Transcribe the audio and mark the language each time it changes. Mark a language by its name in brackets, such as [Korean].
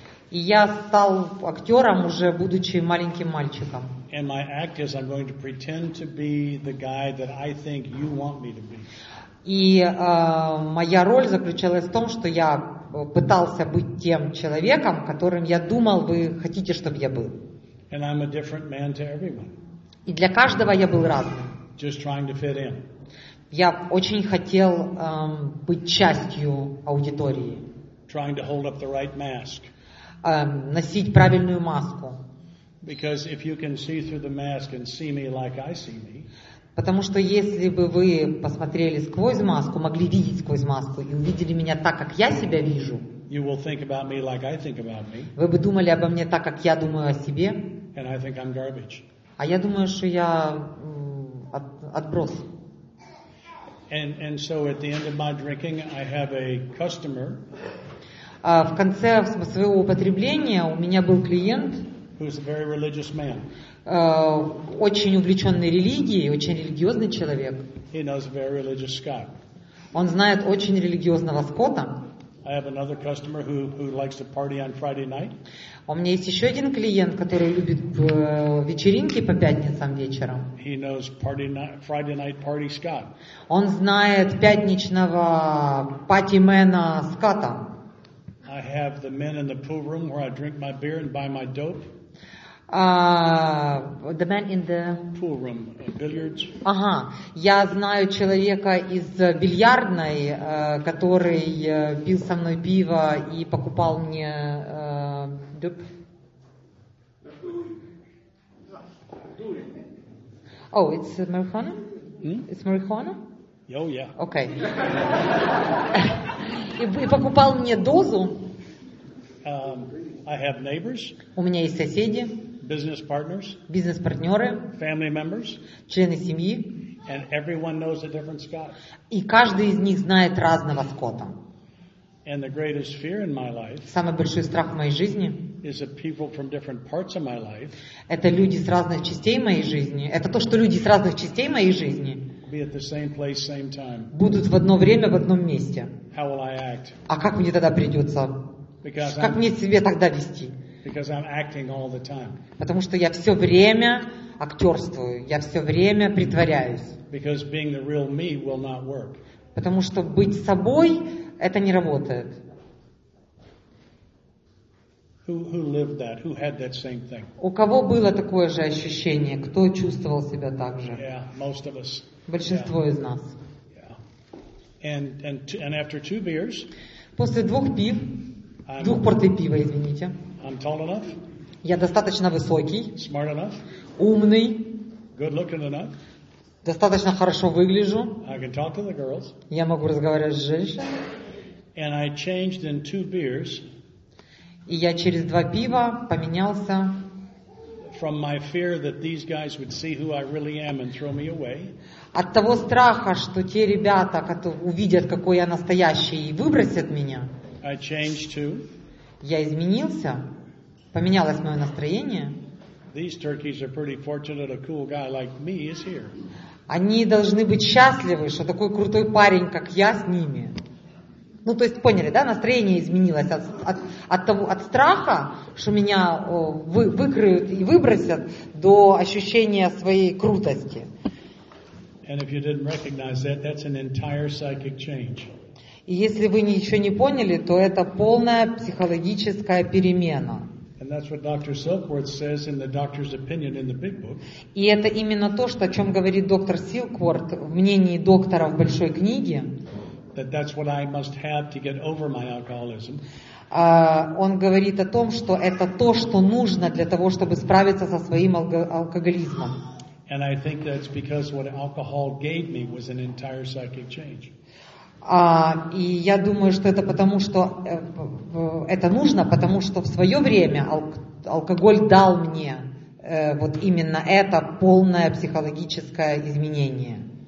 [Russian] И я стал актером, уже будучи маленьким мальчиком. [English] And my act is I'm going to pretend to be the guy that I think you want me to be. [Russian] И моя роль заключалась в том, что я пытался быть тем человеком, которым я думал, вы хотите, чтобы я был. [English] And I'm a different man to everyone. [Russian] И для каждого я был разным. [English] Just trying to fit in. [Russian] Я очень хотел быть частью аудитории. [English] Trying to hold up the right mask. [Russian] Носить правильную маску. [English] Because if you can see through the mask and see me like I see me. [Russian] Потому что если бы вы посмотрели сквозь маску, могли видеть сквозь маску и увидели меня так, как я себя вижу. [English] You will think about me like I think about me. [Russian] Вы бы думали обо мне так, как я думаю о себе. [English] And I think I'm garbage. [Russian] А я думаю, что я отброс. [English] And so at the end of my drinking, I have a customer. [Russian] В конце своего употребления у меня был клиент. [English] Who's a very religious man. [Russian] Очень увлеченный религией, очень религиозный человек. [English] He knows a very religious Scott. [Russian] Он знает очень религиозного Скотта. [English] I have another customer who likes to party on Friday night. [Russian] У меня есть еще один клиент, который любит вечеринки по пятницам вечером. [English] He knows party night, Friday night party Scott. [Russian] Он знает пятничного патимена Скотта. [English] I have the men in the pool room where I drink my beer and buy my dope. The man in the pool room, billiards. [Russian] Ага, я знаю человека из бильярдной, который пил со мной пиво и покупал мне дуб. [English] Oh, it's marijuana? It's marijuana? Oh, yeah. Okay. [Russian] И покупал мне дозу. [English] I have neighbors. [Russian] У меня есть соседи. [English] Business partners. [Russian] Бизнес-партнеры. [English] Family members. [Russian] Члены семьи. [English] And everyone knows a different Scott. [Russian] И каждый из них знает разного Скотта. [English] And the greatest fear in my life. [Russian] Самый большой страх в моей жизни. [English] Is the people from different parts of my life. [Russian] Это люди с разных частей моей жизни. Это то, что люди с разных частей моей жизни. [English] Be at the same place, same time. [Russian] Будут в одно время в одном месте. [English] How will I act? [Russian] А как мне тогда придется? [English] Because [Russian] как мне себе тогда вести? [English] Because I'm acting all the time. [Russian] Потому что я все время актерствую, я все время притворяюсь. [English] Because being the real me will not work. [Russian] Потому что быть собой это не работает. [English] Who lived that? Who had that same thing? [Russian] У кого было такое же ощущение? Кто чувствовал себя так же? [English] Yeah, most of us. [Russian] Большинство [English] yeah. [Russian] из нас. [English] Yeah. And after two beers. [Russian] После двух пив. Двух порций пива, извините. [English] I'm tall enough. [Russian] Я достаточно высокий. [English] Smart enough. [Russian] Умный. [English] Good looking enough. [Russian] Достаточно хорошо выгляжу. [English] I can talk to the girls. [Russian] Я могу разговаривать с женщинами. [English] And I changed in two beers. [Russian] И я через два пива поменялся. [English] From my fear that these guys would see who I really am and throw me away. [Russian] От того страха, что те ребята, которые увидят, какой я настоящий, и выбросят меня. [English] I changed too. [Russian] Я изменился. Поменялось мое настроение. [English] These turkeys are pretty fortunate a cool guy like me is here. [Russian] Они должны быть счастливы, что такой крутой парень, как я, с ними. Ну, то есть, поняли, да? Настроение изменилось от страха, что меня выкроют и выбросят, до ощущения своей крутости. [English] And if you didn't recognize that, that's an entire psychic change. [Russian] И если вы ничего не поняли, то это полная психологическая перемена. [English] And that's what Dr. Silkworth says in the doctor's opinion in the big book. [Russian] И это именно то, что о чем говорит доктор Силкворт в мнении доктора в большой книге. [English] That that's what I must have to get over my alcoholism. [Russian] Он говорит о том, что это то, что нужно для того, чтобы справиться со своим алкоголизмом. [English] And I think that's because what alcohol gave me was an entire psychic change. [Russian] И я думаю, что это потому, что это нужно, потому что в свое время алкоголь дал мне вот именно это полное психологическое изменение.